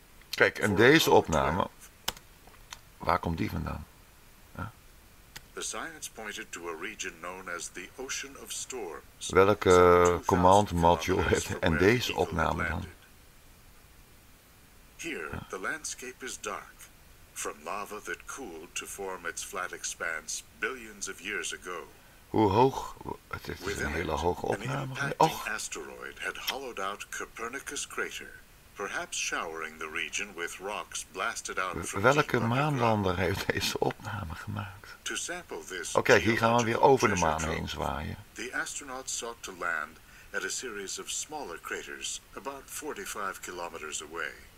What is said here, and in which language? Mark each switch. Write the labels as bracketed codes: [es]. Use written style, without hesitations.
[nl] Kijk, en deze opname, waar komt die vandaan? [en] The science pointed to a region known as the Ocean of Storms. [nl] Welke command module heeft en deze opname dan? [en] Here, the landscape is dark. From lava that cooled to form its flat expanse billions of years ago. [nl] Hoe hoog? Het is een hele hoge opname. [en] An impacting asteroid had hollowed out Copernicus crater, perhaps showering the region with rocks blasted out from [nl] Welke maanlander heeft deze opname gemaakt? [en] To sample this [nl] okay, hier gaan we weer over de maan heen zwaaien. [en] The astronauts sought to land at a series of smaller craters about 45 kilometers away.